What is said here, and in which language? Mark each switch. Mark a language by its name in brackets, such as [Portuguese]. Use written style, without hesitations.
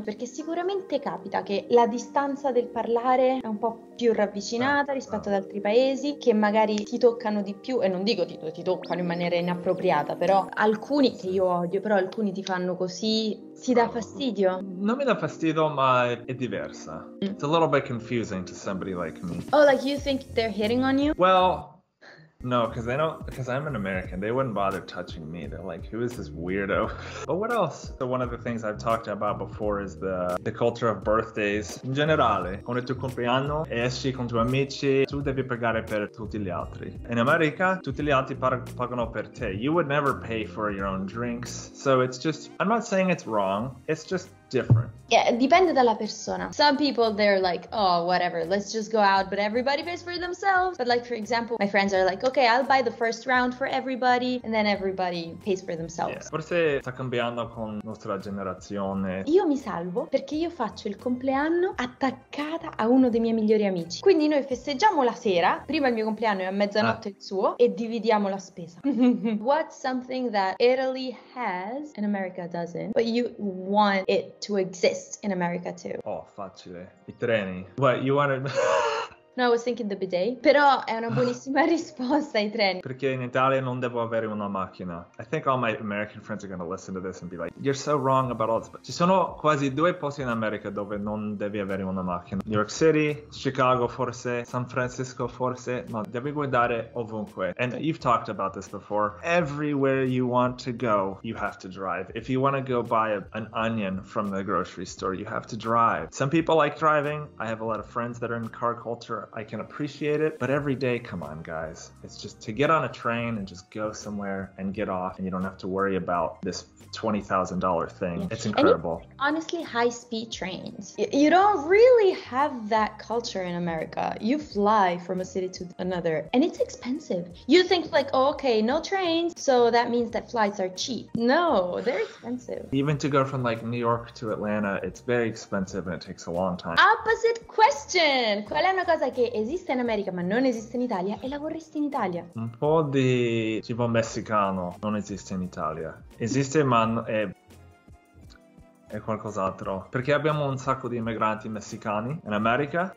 [Italian] Perché sicuramente capita che la distanza del parlare è un po' più ravvicinata rispetto ad altri paesi, che magari ti toccano di più, e non dico ti toccano in maniera inappropriata, però alcuni, che io odio, però alcuni ti fanno così, ti dà fastidio? Non mi dà fastidio, ma è diversa. [English] It's a little bit confusing to somebody like me. Oh, like you think they're hitting on you? Well, no, because they don't, because I'm an American, they wouldn't bother touching me. They're like, who is this weirdo? But what else? So one of the things I've talked about before is the culture of birthdays. [Italian] In generale, con il tuo compleanno, esci con i tuoi amici, tu devi pagare per tutti gli altri. In America, tutti gli altri pagano per te. [English] You would never pay for your own drinks. So it's just, I'm not saying it's wrong, it's just different. [Italian] Yeah, dipende dalla persona. [English] Some people, they're like, oh, whatever, let's just go out, but everybody pays for themselves. But like, for example, my friends are like, okay, I'll buy the first round for everybody, and then everybody pays for themselves. [Italian] Yeah. Forse sta cambiando con nostra generazione. Io mi salvo perché io faccio il compleanno attaccata a uno dei miei migliori amici. Quindi noi festeggiamo la sera, prima il mio compleanno e a mezzanotte il suo, e dividiamo la spesa. [English] What's something that Italy has and America doesn't, but you want it to exist in America too? [Italian] Oh, facile. I treni. [English] What, you wanted... No, I was thinking the bidet. [Italian] Però è una buonissima risposta ai treni. Perché in Italia non devo avere una macchina. [English] I think all my American friends are gonna listen to this and be like, you're so wrong about all this. [Italian] But ci sono quasi due posti in America dove non devi avere una macchina. New York City, Chicago forse, San Francisco forse, ma devi guidare ovunque. [English] And you've talked about this before. Everywhere you want to go, you have to drive. If you want to go buy an onion from the grocery store, you have to drive. Some people like driving. I have a lot of friends that are in car culture. I can appreciate it, but every day, come on guys, it's just to get on a train and just go somewhere and get off, and you don't have to worry about this $20,000 thing. It's incredible. And honestly, high speed trains, you don't really have that culture in America. You fly from a city to another and it's expensive. You think like, oh, okay, no trains, so that means that flights are cheap. No, they're expensive. Even to go from like New York to Atlanta, it's very expensive and it takes a long time. Opposite question, [Italian] qual è una cosa che esiste in America ma non esiste in Italia e la vorresti in Italia? Un po' di tipo messicano non esiste in Italia. Esiste ma è qualcos'altro, perché abbiamo un sacco di immigranti messicani in America.